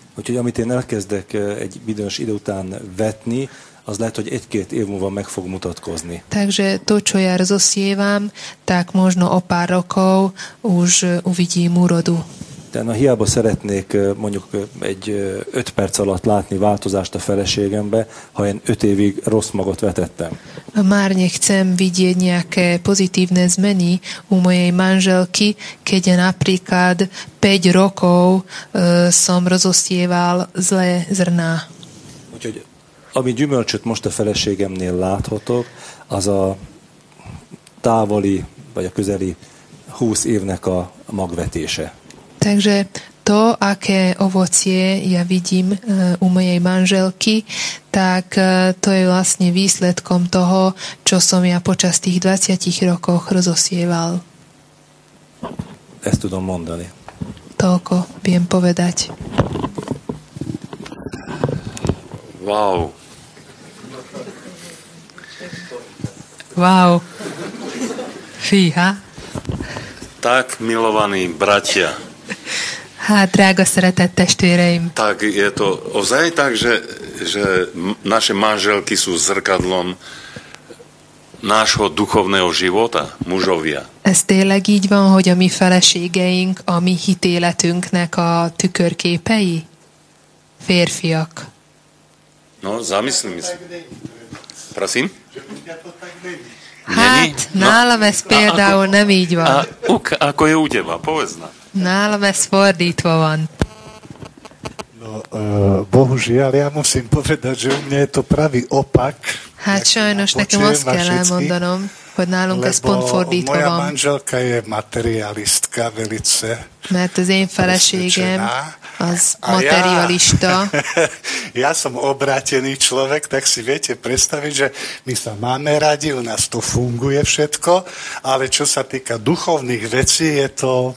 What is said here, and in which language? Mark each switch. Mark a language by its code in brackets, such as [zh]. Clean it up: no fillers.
[hu] Úgyhogy amit én elkezdek egy bizonyos idő után vetni, az lehet, hogy egy-két év múlva meg fog mutatkozni. [sk] Takže to, čo ja rozosievam, tak možno o pár rokov už uvidím úrodu. [hu] Na hiába szeretnék mondjuk egy 5 perc alatt látni változást a feleségembe, ha én 5 évig rossz magot vetettem. [sk] Már nie chcem vidieť nejaké pozitívne zmeny u mojej manželky, keď ja napríklad 5 rokov som rozosieval zlé zrná. [hu] Úgyhogy ami gyümölcsöt most a feleségemnél láthatok, az a távoli vagy a közeli 20 évnek a magvetése. [sk] Takže to, aké ovocie ja vidím u mojej manželky, tak to je vlastne výsledkom toho, čo som ja počas tých 20 rokov rozosieval. [hu] Ezt tudom mondani. [sk] Toľko viem povedať. Wow. Wow. Fíha. Tak, milovaní bratia. [hu] Ha, drago, szeretett testvéreim. [sk] Tak je to ozaj tak, že naše manželky sú zrkadlom nášho duchovného života, mužovia. [hu] Ez tényleg így van, hogy a mi feleségeink, a mi hitéletünknek a tükörképei? Férfiak. [sk] No, zamyslím si. Prosím? [hu] Hát, nálam ez például nem így van. [sk] Ako je u teba, povedzná. [hu] Nálam ez fordítva van. [sk] No, bohužiaľ, ja musím povedať, že u mňa je to pravý opak. [hu] Hát sajnos, nekem azt kell elmondanom, hogy nálunk ez pont fordítva van. [sk] Lebo moja manželka je materialistka velice. [hu] Mert az én feleségem az materialista. [sk] Ja som obrátený človek, tak si viete predstaviť, že my sa máme radi, u nás to funguje všetko, ale čo sa týka duchovných vecí, je to...